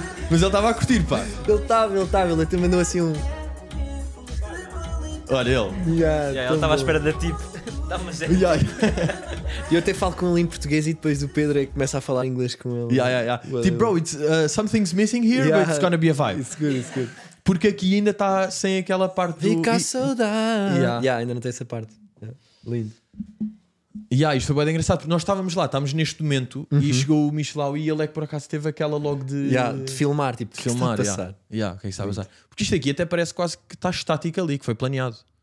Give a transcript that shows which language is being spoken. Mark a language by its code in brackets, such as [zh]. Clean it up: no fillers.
[pt] Mas ele estava a curtir, pá. Ele estava, ele até mandou assim um. Olha ele. Ele estava à espera da tipo. E eu até falo com ele em português e depois o Pedro é que começa a falar inglês com ele. Tipo, [en] bro, it's, something's missing here, but it's gonna be a vibe. It's good. [pt] Porque aqui ainda está sem aquela parte do. Fica a saudade. Ainda não tem essa parte. Lindo. [en] Yeah, [pt] isto foi bem engraçado, porque nós estávamos lá, estávamos neste momento, uhum. E chegou o Michelau e ele é que por acaso teve aquela logo de... [en] Yeah, [pt] de filmar, tipo, de filmar, que está a passar. [en] Yeah, okay, [pt] porque isto aqui até parece quase que está estático ali, que foi planeado.